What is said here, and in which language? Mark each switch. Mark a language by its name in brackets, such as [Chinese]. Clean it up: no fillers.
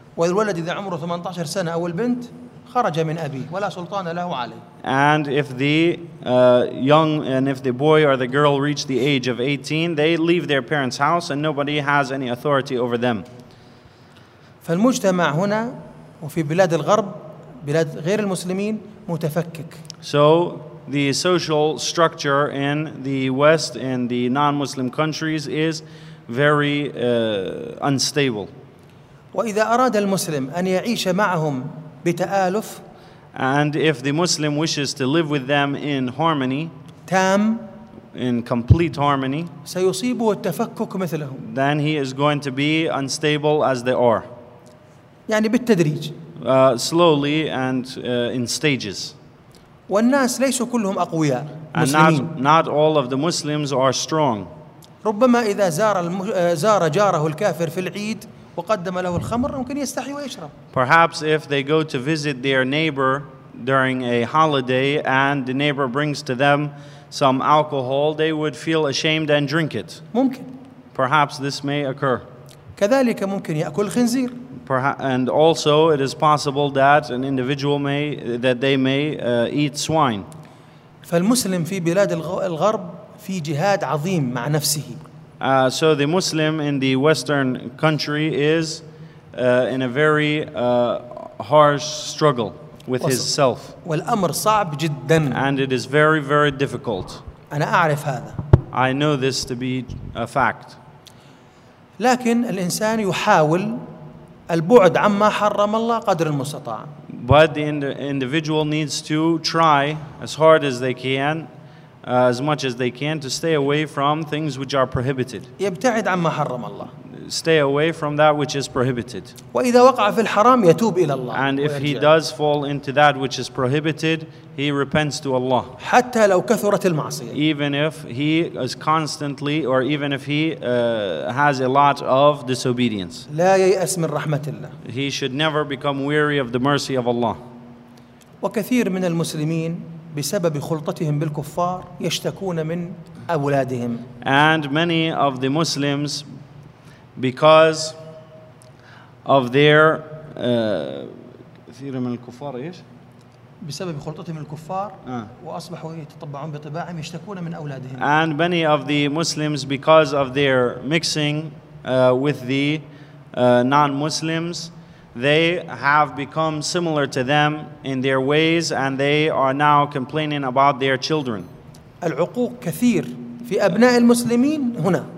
[Arabic] والولد إذا عمره 18 سنة أو البنت خرج من أبيه ولا سلطان له عليه. [English] And if the young and if the boy or the girl reach the age of 18, they leave their parents' house and nobody has any authority over them. [Arabic] فالمجتمع هنا وفي بلاد الغرب بلاد غير المسلمين متفكك. [English] So the social structure in the West and the non-Muslim countries is very unstable. [Arabic] وإذا أراد المسلم أن يعيش معهم بتآلف. [English] And if the Muslim wishes to live with them in harmony, [Arabic] تام, [English] in complete harmony, [Arabic] سيصيبه التفكك مثلهم. [English] Then he is going to be unstable as they are. [Arabic] يعني بالتدريج. [English] Slowly and in stages. [Arabic] والناس ليسوا كلهم أقوياء. [English] And not all of the Muslims are strong. [Arabic] ربما إذا زار جاره الكافر في العيد وقدم له الخمر ممكن يستحي ويشرب. [English] Perhaps if they go to visit their neighbor during a holiday and the neighbor brings to them some alcohol, they would feel ashamed and drink it. [Arabic] ممكن. [English] Perhaps this may occur. [Arabic] كذلك ممكن يأكل الخنزير. [English] And also, it is possible that an individual may eat swine. [Arabic] فالمسلم في بلاد الغرب في جهاد عظيم مع نفسه. [English] So the Muslim in the Western country is in a very harsh struggle with himself. [Arabic] والأمر صعب جدا. [English] And it is very, very difficult. [Arabic] أنا أعرف هذا. [English] I know this to be a fact. [Arabic] لكن الإنسان يحاول البعد عما حرم الله قدر المستطاع. [English] But the individual needs to try as hard as they can, as much as they can, to stay away from things which are prohibited. [Arabic] يبتعد عما حرم الله. [English] Stay away from that which is prohibited. [Arabic] وإذا وقع في الحرام يتوب إلى الله. [English] And if he does fall into that which is prohibited, he repents to Allah. [Arabic] حتى لو كثرت المعصية. [English] Even if he is constantly, or even if he has a lot of disobedience. [Arabic] لا ييأس من رحمة الله. [English] He should never become weary of the mercy of Allah. [Arabic] وكثير من المسلمين بسبب خلطتهم بالكفار يشتكون من أولادهم. [English] And many of the Muslims, because of their [Arabic] كثير من الكفار إيش؟ بسبب خلطتهم الكفار وأصبحوا يتطبعون بطباعهم يشتكون من أولادهم. [English] And many of the Muslims, because of their mixing with the non-Muslims, they have become similar to them in their ways, and they are now complaining about their children. [Arabic] العقوق كثير في أبناء المسلمين هنا.